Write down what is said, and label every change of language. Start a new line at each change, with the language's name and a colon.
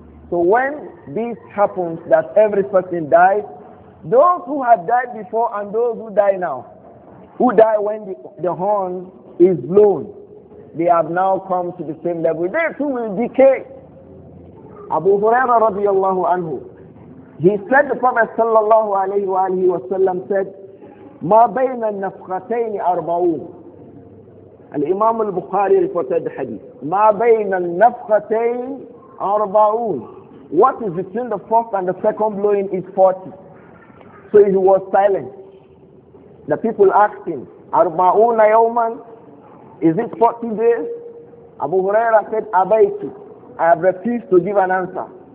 English: So when this happens, that every person dies, those who have died before and those who die now, who die when the horn is blown, they have now come to the same level. They too will decay. Abu Huraira radiallahu anhu, he said, the Prophet sallallahu alayhi wa alihi wa sallam said,
Arabic: مَا بَيْنَ النَّفْخَتَيْنِ أَرْبَعُونَ. الإمام البخاري reported حديث ما بين النفختين أربعون.
English: What is between the first and the second blowing is 40. So he was silent. The people asked him,
Arabic: أربعون يوما,
English: is it 40 days? Abu Huraira said,
Arabic: أبيت,
English: I have refused to give an answer.